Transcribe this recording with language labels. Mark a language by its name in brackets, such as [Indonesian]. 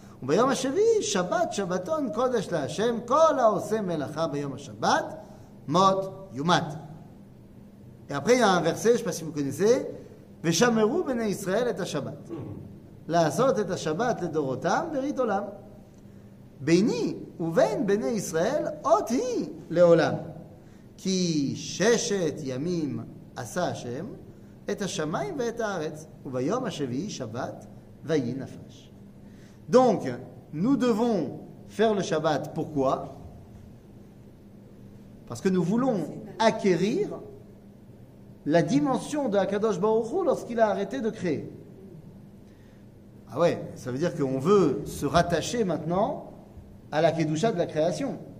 [Hebrew] וביום השביעי שבת שבתון קודש להשם כל העושה מלאכה ביום השבת מות יומת. [French] Et après il y a un verset, je ne sais pas si vous connaissez, [Hebrew] ושמרו בני ישראל את השבת. לעשות את השבת לדורותם ברית עולם. ביני ובין בני ישראל אות היא לעולם. כי ששת ימים עשה השם את השמיים ואת הארץ וביום השביעי שבת ויהי נפש. [French] Donc, nous devons faire le Shabbat. Pourquoi ? Parce que nous voulons acquérir la dimension de Hakadosh Baruch Hu lorsqu'il a arrêté de créer. Ah ouais, ça veut dire qu'on veut se rattacher maintenant à la Kedusha de la création.